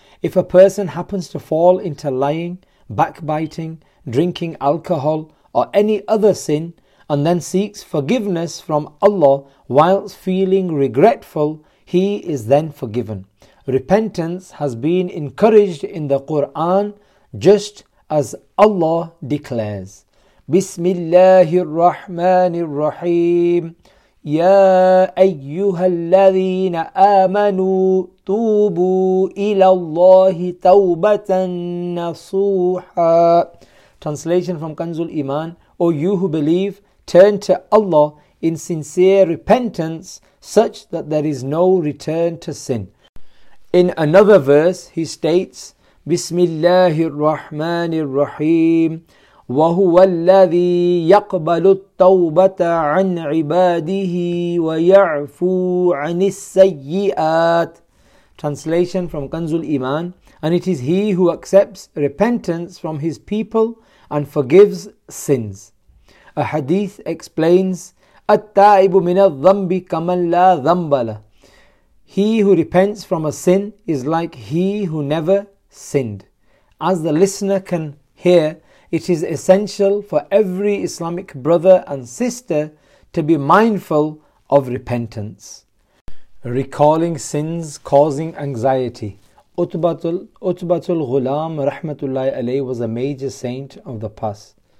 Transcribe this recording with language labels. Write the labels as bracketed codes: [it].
[en] If a person happens to fall into lying, backbiting, drinking alcohol, or any other sin, and then seeks forgiveness from Allah whilst feeling regretful, he is then forgiven. Repentance has been encouraged in the Quran just as Allah declares. [ar] بسم الله الرحمن الرحيم يا أيها الذين آمنوا توبوا إلى الله توبة نصوحا. [en] Translation from Kanzul Iman. O you who believe, turn to Allah in sincere repentance such that there is no return to sin. In another verse he states, [ar] بسم الله الرحمن الرحيم وَهُوَ الَّذِي يَقْبَلُ التَّوْبَةَ عَنْ عِبَادِهِ وَيَعْفُو عَنِ السَّيِّئَاتِ. [en] Translation from Kanzul Iman. And it is He who accepts repentance from His people and forgives sins. A hadith explains, [ar] أَتَّائِبُ مِنَ الظَّنْبِ كَمَنْ لَا ذَنْبَ لَهُ. [en] He who repents from a sin is like he who never sinned. As the listener can hear, it is essential for every Islamic brother and sister to be mindful of repentance. Recalling sins causing anxiety. Utbatul Ghulam Rahmatullahi Alayhi was a major saint of the past.